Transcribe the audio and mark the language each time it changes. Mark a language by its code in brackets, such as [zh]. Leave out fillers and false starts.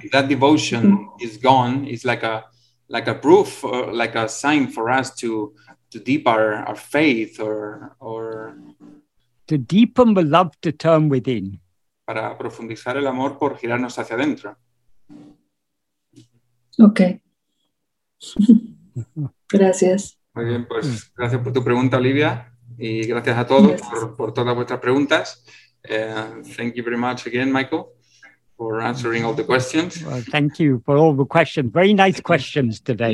[en] If that devotion is gone, it's like a proof, or like a sign for us to deepen our faith or to deepen the love to turn within. [es] Para profundizar el amor por girarnos hacia adentro. [en] Okay. [es] Gracias. Muy bien, pues gracias por tu pregunta, Olivia, y gracias a todos por todas vuestras preguntas. [en] Thank you very much again, Michael, for answering all the questions. Well, thank you for all the questions. Very nice questions today. Yeah.